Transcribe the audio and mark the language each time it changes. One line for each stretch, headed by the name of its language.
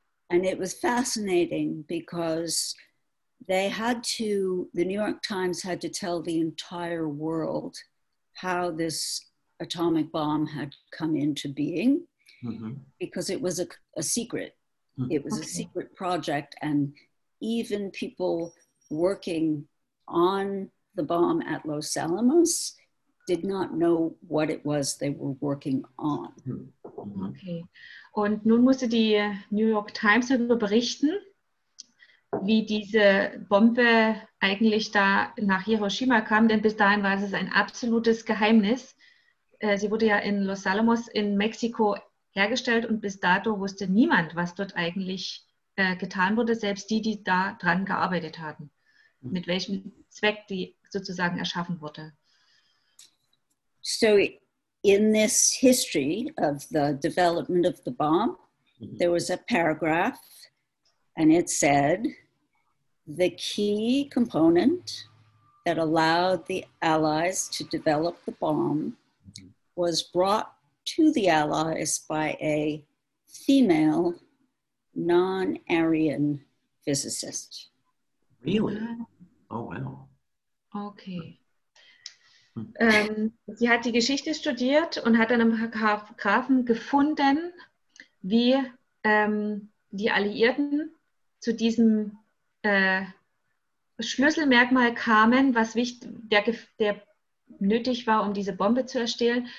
English: And it was fascinating because the New York Times had to tell the entire world how this atomic bomb had come into being, mm-hmm. because it was a secret. Mm-hmm. It was okay. A secret project, and even people working on the bomb at Los Alamos did not know what it was they were working on. Mm-hmm.
German: Okay, und nun musste die New York Times darüber berichten, wie diese Bombe eigentlich da nach Hiroshima kam, denn bis dahin war es ein absolutes Geheimnis. Sie wurde ja in Los Alamos in Mexiko hergestellt und bis dato wusste niemand, was dort eigentlich getan wurde, selbst die, die da dran gearbeitet hatten, mit welchem Zweck die sozusagen erschaffen wurde.
English: So in this history of the development of the bomb, there was a paragraph. And it said, the key component that allowed the Allies to develop the bomb was brought to the Allies by a female non-Aryan physicist. Really? Oh, wow. Okay.
German: Sie hat die Geschichte studiert und hat dann im Grafen gefunden, wie die Alliierten zu diesem Schlüsselmerkmal kamen, was der nötig war, um diese Bombe zu erstellen.